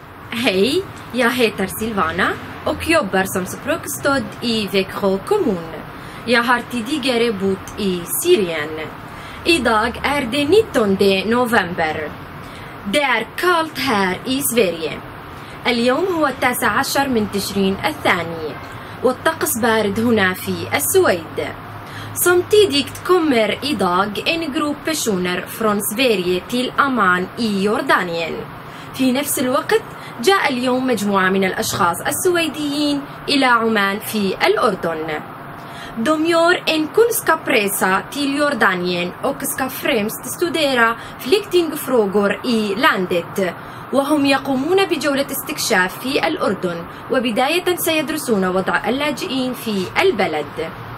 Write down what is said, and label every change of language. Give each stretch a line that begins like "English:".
Swedish: Hej, jag heter Silvana och jobbar som språkstöd i Växjö kommun. Jag har tidigare bott i Syrien. Idag är det 19 november. Det är kallt här i Sverige.
Arabic: اليوم هو 19 من تشرين الثاني والطقس بارد هنا في السويد.
Swedish: Samtidigt kommer idag en grupp personer från Sverige till Amman i Jordanien.
Arabic: في نفس الوقت جاء اليوم مجموعة من الأشخاص السويديين إلى عمان في الأردن.
Swedish: De gör en kunskapsresa till Jordanien och ska främst studera flyktingfrågor i landet.
Arabic: وهم يقومون بجولة استكشاف في الأردن وبداية سيدرسون وضع اللاجئين في البلد.